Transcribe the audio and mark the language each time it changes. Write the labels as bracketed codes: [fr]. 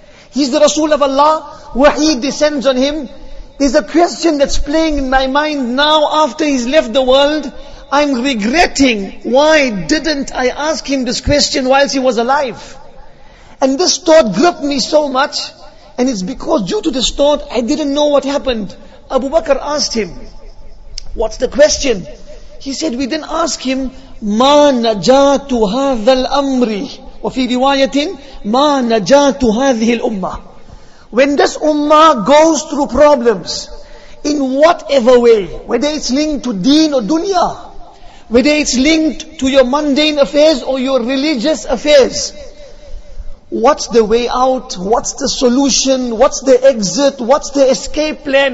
[en] He's the Rasul of Allah, wahi descends on him. There's a question that's playing in my mind now after he's left the world. I'm regretting, why didn't I ask him this question whilst he was alive? And this thought gripped me so much, and it's because due to this thought, I didn't know what happened. Abu Bakr asked him, what's the question? He said, we didn't ask him, [ar] مَا نَجَاتُ هَذَا الْأَمْرِ وَفِي رِوَايَةٍ مَا نَجَاتُ هَذِهِ الْأُمَّةِ. [en] When this ummah goes through problems, in whatever way, whether it's linked to deen or dunya, whether it's linked to your mundane affairs or your religious affairs, what's the way out? What's the solution? What's the exit? What's the escape plan?